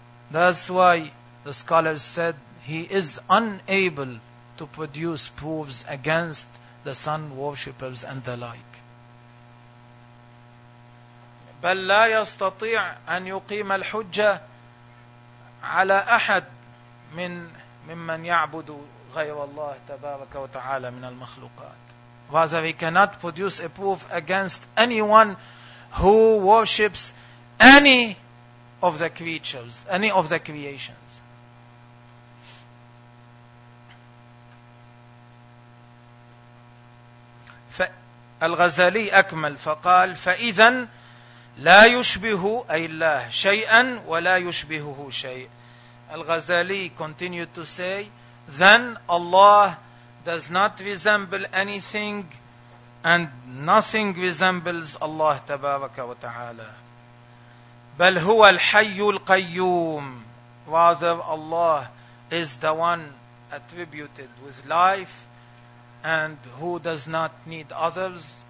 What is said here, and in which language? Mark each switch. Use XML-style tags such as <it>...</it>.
<en>That's why the scholars said he is unable to produce proofs against the sun worshippers and the like.</en> <ar>بل لا يستطيع أن يقيم الحجة على أحد ممن يعبد غير الله تبارك وتعالى من المخلوقات.</ar> <en>Rather, he cannot produce a proof against anyone who worships any of the creatures, any of the creations.</en> <ar>الغزالي أكمل فقال فإذا لا يشبه أي الله شيئا ولا يشبهه شيء.</ar> <en>الغزالي continued to say, then Allah does not resemble anything and nothing resembles Allah تبارك وتعالى.</en> <ar>بل هو الحي القيوم.</ar> <en>Rather, Allah is the one attributed with life and who does not need others.</en>